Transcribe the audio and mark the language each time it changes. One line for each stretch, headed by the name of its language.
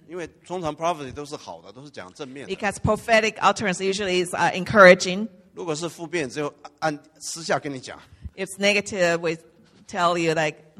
Chinese: 因为通常prophecy都是好的, 都是讲正面的。
English: Because prophetic utterance usually is encouraging.
Chinese: 如果是负面, 只有按, 私下跟你讲。
English: It's negative, we tell you like,